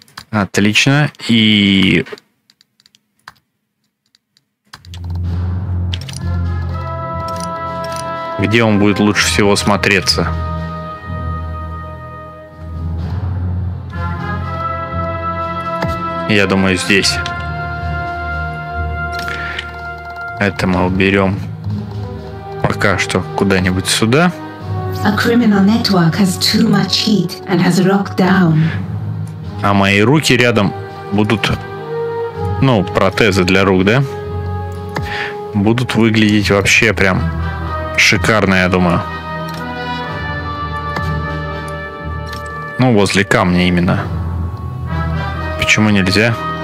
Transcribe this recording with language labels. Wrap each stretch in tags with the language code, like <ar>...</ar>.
<ru>Отлично. И где он будет лучше всего смотреться? Я думаю, здесь. Это мы уберем пока что куда-нибудь сюда.</ru> <en>A criminal network has too much heat and has rocked down.</en> <ru>А мои руки рядом будут, ну, протезы для рук, да? Будут выглядеть вообще прям шикарно, я думаю. Ну, возле камня именно. Почему нельзя?</ru>